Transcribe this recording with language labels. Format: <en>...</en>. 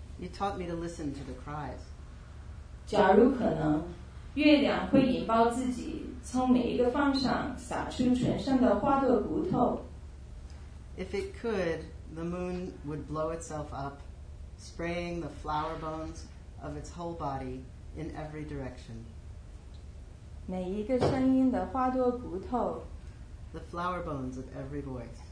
<en>You taught me to listen to the cries.</en> <zh>假如可能, 月亮会引爆自己, 从每一个方向撒出全身的花朵骨头。</zh> <en>If it could, the moon would blow itself up, spraying the flower bones of its whole body in every direction.</en> <zh>每一个声音的花朵骨头,</zh> <en>the flower bones of every voice.</en>